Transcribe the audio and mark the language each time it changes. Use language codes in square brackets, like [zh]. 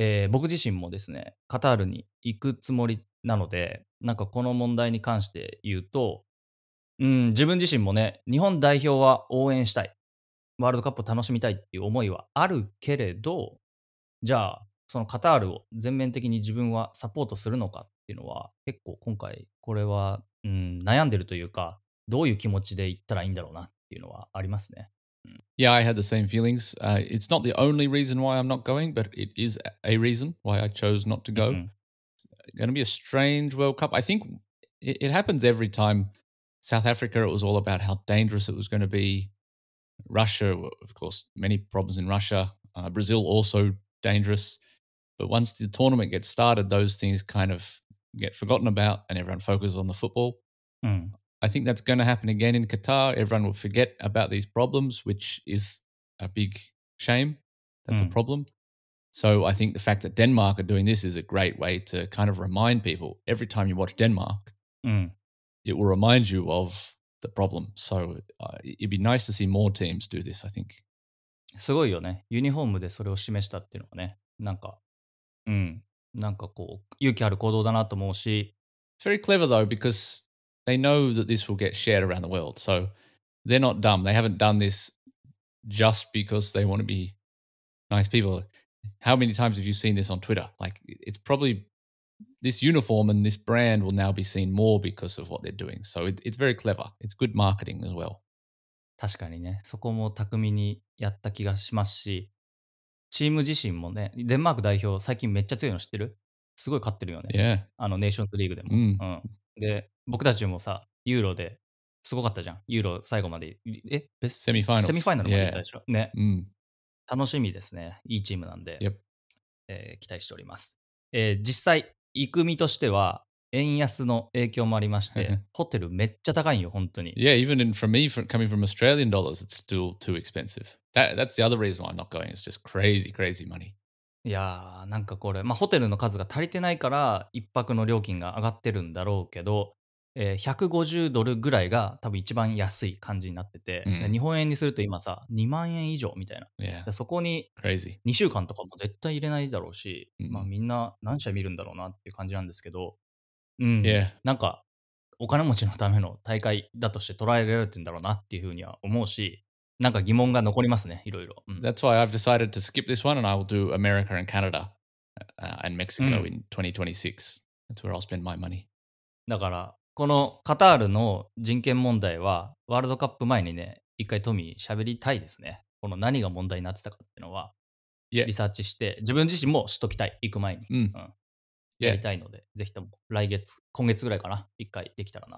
[ja] 僕自身もですね、カタールに行くつもりなので、なんかこの問題に関して言うと、うん、自分自身もね、日本代表は応援したい、ワールドカップを楽しみたいっていう思いはあるけれど、じゃあそのカタールを全面的に自分はサポートするのかっていうのは、結構今回これは、うん、悩んでるというか、どういう気持ちで行ったらいいんだろうなっていうのはありますね。 [en] Yeah, I had the same feelings. It's not the only reason why I'm not going, but it is a reason why I chose not to go. Mm-hmm. It's going to be a strange World Cup. I think it happens every time. South Africa, it was all about how dangerous it was going to be. Russia, of course, many problems in Russia. Brazil, also dangerous. But once the tournament gets started, those things kind of get forgotten about and everyone focuses on the football. Mm-hmm. I think that's going to happen again in Qatar. Everyone will forget about these problems, which is a big shame. That's a problem. So I think the fact that Denmark are doing this is a great way to kind of remind people. Every time you watch Denmark, it will remind you of the problem. So it'd be nice to see more teams do this, I think. [ja] すごいよね。ユニフォームでそれを示したっていうのはね。なんか、なんかこう、勇気ある行動だなと思うし。 [en] It's very clever though, because... They know that this will get shared around the world. So they're not dumb. They haven't done this just because they want to be nice people. How many times have you seen this on Twitter? Like, it's probably this uniform and this brand will now be seen more because of what they're doing. So it's very clever. It's good marketing as well. [ja] 確かにね、そこも巧みにやった気がしますし、チーム自身もね、デンマーク代表最近めっちゃ強いの知ってる？すごい勝ってるよね、 [en] yeah. [ja] あのネーションズリーグでも、うんうん、で僕たちもさユーロですごかったじゃん、ユーロ最後までセミファイナルセミファイナルまで行ったでしょ、yeah. ね、うん、楽しみですね、いいチームなんで、 [en] yep. [ja] 期待しております、実際行く身としては円安の影響もありまして、ホテルめっちゃ高いよ本当に。 [en] Yeah, even in, for me, for, coming from Australian dollars, it's still too expensive. That's the other reason why I'm not going. It's just crazy, crazy money. [ja] いやーなんかこれ、まあホテルの数が足りてないから一泊の料金が上がってるんだろうけど、150ドルぐらいが多分一番安い感じになってて、mm. 日本円にすると今さ2万円以上みたいな。 [en] Yeah. [ja] そこに [en] crazy [ja] 2週間とかも絶対入れないだろうし、mm. まあみんな何社見るんだろうなっていう感じなんですけど。うん、 [en] yeah. [ja] なんかお金持ちのための大会だとして捉えられてるんだろうなっていうふうには思うし、なんか疑問が残りますね、いろいろ、うん、 [en] That's why I've decided to skip this one and I will do America and Canada、and Mexico、うん、in 2026. That's where I'll spend my money. [ja] だからこのカタールの人権問題はワールドカップ前にね一回トミー喋りたいですね、この何が問題になってたかっていうのは、 [en] yeah. [ja] リサーチして自分自身もしときたい、行く前に、うんうん、やりたいので、yeah. ぜひとも来月、今月ぐらいかな、一回できたらな。